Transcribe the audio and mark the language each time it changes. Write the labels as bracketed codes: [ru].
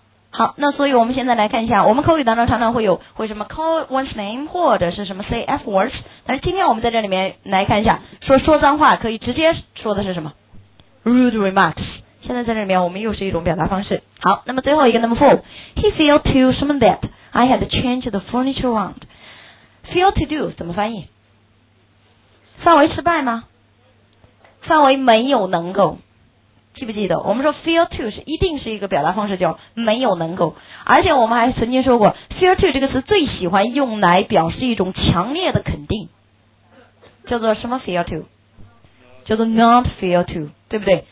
[zh] 好，那所以我们现在来看一下，我们口语当中常常会有会什么 [en] call one's name [zh] 或者是什么 [en] say F words， [zh] 但是今天我们在这里面来看一下，说脏话可以直接说的是什么 [en] rude remarks。 [zh] 现在在这里面我们又是一种表达方式。好，那么最后一个 [en] number 4， he failed to [zh] 什么 [en] that I had changed the furniture around。 [zh] fail to do 怎么翻译？范围失败吗？范围没有能够，记不记得我们说 fail to 是一定是一个表达方式，叫没有能够。而且我们还曾经说过 fail to 这个词最喜欢用来表示一种强烈的肯定，叫做什么 fail to， 叫做 not fail to，对不对？